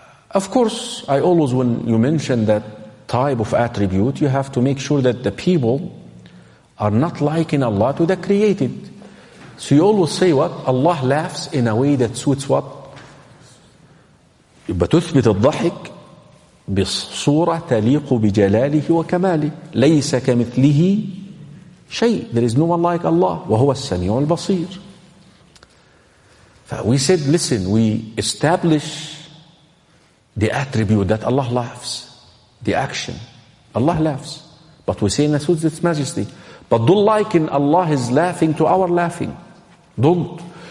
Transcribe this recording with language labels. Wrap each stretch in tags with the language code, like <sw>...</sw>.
<en>Of course, I always, when you mention that type of attribute, you have to make sure that the people are not liking Allah to the created. So you always say what? Allah laughs in a way that suits what?</en> <ar>بتثبت الضحك بصورة تليق بجلاله وكماله ليس كمثله شيء.</ar> <en>There is no one like Allah.</en> <ar>وهو السميع البصير.</ar> <en>We said, listen, we establish the attribute that Allah laughs. The action. Allah laughs. But we say in suits its majesty. But don't liken Allah is laughing to our laughing. Don't.</en>